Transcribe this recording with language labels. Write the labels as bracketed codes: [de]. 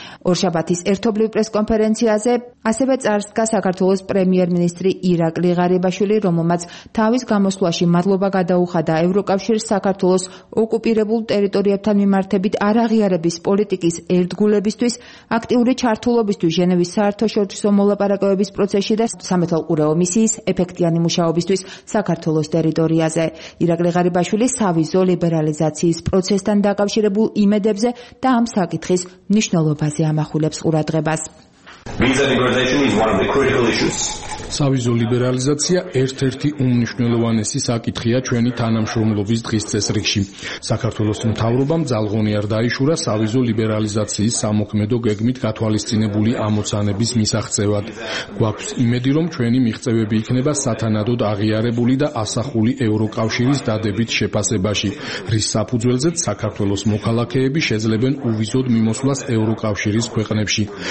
[ka] ორშაბათის ერთობლივ პრესკონფერენციაზე ასევე წარსდგა საქართველოს პრემიერ-მინისტრი ირაკლი ღარიბაშვილი, რომელმაც თავის გამოსვლაში მადლობა გადაუხადა ევროკავშირის საქართველოს ოკუპირებულ ტერიტორიებთან მიმართებით არაღიარების პოლიტიკის ერთგულებისთვის, აქტიური ჩართულობისთვის ჟენევის საერთაშორისო მოლაპარაკებების პროცესში და სამეთვალყურეო მისიის ეფექტიანი მუშაობისთვის საქართველოს ტერიტორიაზე. ირაკლი ღარიბაშვილი სავიზო ლიბერალიზაციის პროცესთან დაკავშირებულ იმედებზე და ამ საკითხის მნიშვნელობაზე ამახვილებს ყურადღებას. [en] Visa liberalization is one of the critical issues. [ka] სავიზო ლიბერალიზაცია ერთ-ერთი უმნიშვნელოვანესი საკითხია ჩვენი თანამშრომლობის დღის წესრიგში. საქართველოს მთავრობამ ძალღონი არ დაიშურა სავიზო ლიბერალიზაციის სამოქმედო გეგმით გათვალისწინებული ამოცანების მისაღწევად. გვაქვს იმედი, რომ ჩვენი მიღწევები იქნება სათანადოდ აღიარებული და ასახული ევროკავშირის დადებით შეფასებაში, რის საფუძველზეც საქართველოს მოქალაქეები შეძლებენ უვიზოდ მიმოსვლას ევროკავშირის ქვეყნებში.